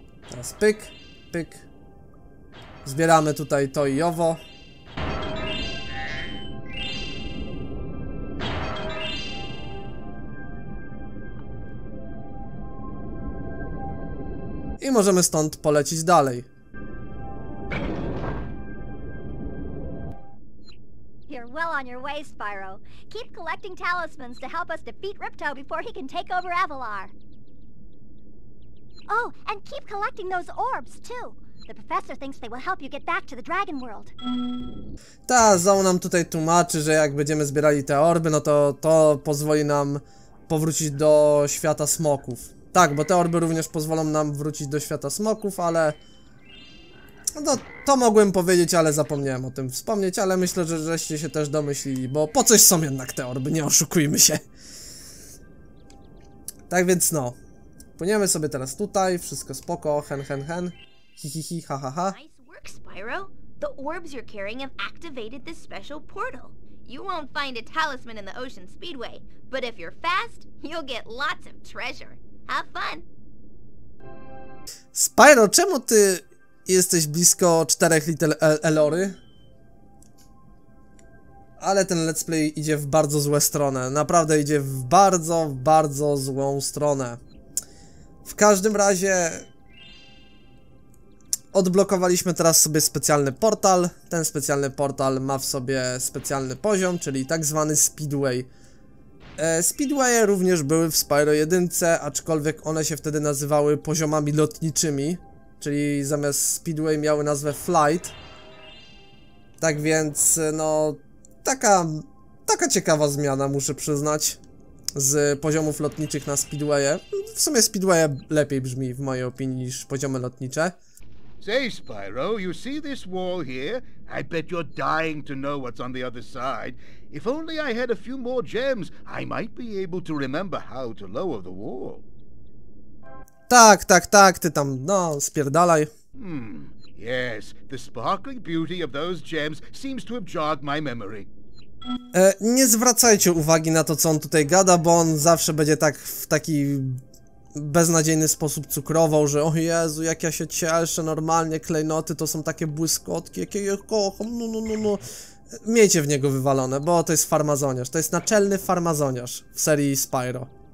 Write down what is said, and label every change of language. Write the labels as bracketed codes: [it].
[pl] Teraz pyk, pyk. Zbieramy tutaj to i owo. I możemy stąd polecieć dalej. [en] You're well on your way, Spyro. Keep collecting talismans to help us defeat Ripto before he can take over Avalar. Oh, and keep collecting those orbs too. The professor thinks they will help you get back to the Dragon World. [pl] Ta Zao nam tutaj tłumaczy, że jak będziemy zbierali te orby, no to to pozwoli nam powrócić do świata smoków. Tak, bo te orby również pozwolą nam wrócić do świata smoków, ale... No, to mogłem powiedzieć, ale zapomniałem o tym wspomnieć, ale myślę, że żeście się też domyślili, bo po coś są jednak te orby, nie oszukujmy się. Tak więc no, płyniemy sobie teraz tutaj, wszystko spoko, hen hen hen. Hihihi, ha ha ha. [en] Nice work, Spyro. The orbs you're carrying have activated this special portal. You won't find a talisman in the Ocean Speedway, but if you're fast, you'll get lots of treasure. [pl] Spyro, czemu ty jesteś blisko 4 liter Elory? Ale ten let's play idzie w bardzo złe stronę. Naprawdę idzie w bardzo, bardzo złą stronę. W każdym razie... Odblokowaliśmy teraz sobie specjalny portal. Ten specjalny portal ma w sobie specjalny poziom, czyli tak zwany Speedway. Speedwaye również były w Spyro 1, aczkolwiek one się wtedy nazywały poziomami lotniczymi, czyli zamiast Speedway miały nazwę Flight. Tak więc, no, taka ciekawa zmiana, muszę przyznać, z poziomów lotniczych na Speedwaye. W sumie Speedwaye lepiej brzmi w mojej opinii niż poziomy lotnicze. [en] Say, Spyro, you see this wall here? I bet you're dying to know what's on the other side. If only I had a few more gems, I might be able to remember how to lower the wall. [pl] Tak, tak, tak, ty tam, no, spierdalaj. [en] Hmm, yes, the sparkling beauty of those gems seems to have jogged my memory. [pl] Nie zwracajcie uwagi na to, co on tutaj gada, bo on zawsze będzie tak w taki... beznadziejny sposób cukrował, że o Jezu, jak ja się cieszę, normalnie klejnoty to są takie błyskotki, jakie je kocham, no, no, no, no. Miejcie w niego wywalone, bo to jest farmazoniarz, to jest naczelny farmazoniarz w serii Spyro.